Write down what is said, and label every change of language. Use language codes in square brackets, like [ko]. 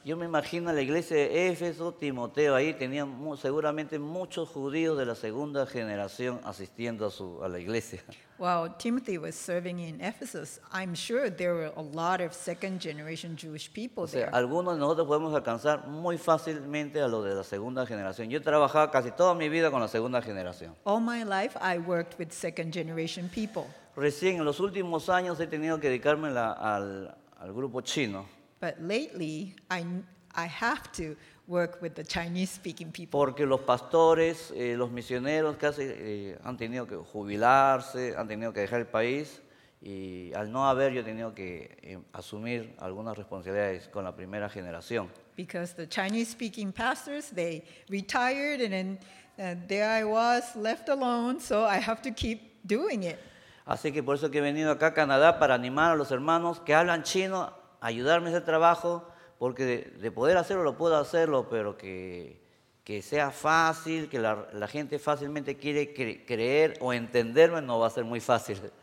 [es] Yo me imagino la iglesia de Éfeso, Timoteo, ahí tenían seguramente muchos judíos de la segunda generación asistiendo a la iglesia. [en] While Timothy was serving in Ephesus, I'm sure there were a lot of second generation Jewish people there. [es] O sea, algunos de nosotros podemos alcanzar muy fácilmente a los de la segunda generación. Yo he trabajado casi toda mi vida con la segunda generación. [en] All my life I worked with second generation people. [es] Recién en los últimos años he tenido que dedicarme al grupo chino. [en] But lately I have to work with the Chinese speaking people. [es] Porque los pastores, los misioneros casi han tenido que jubilarse, han tenido que dejar el país y al no haber yo he tenido que asumir algunas responsabilidades con la primera generación. [en] Because the Chinese speaking pastors, they retired and then there I was left alone, so I have to keep doing it. [es] Así que por eso que he venido acá a Canadá para animar a los hermanos que hablan chino a ayudarme en ese trabajo. Porque de poder hacerlo, lo puedo hacerlo, pero que sea fácil, que la gente fácilmente quiere creer o entenderme, no va a ser muy fácil.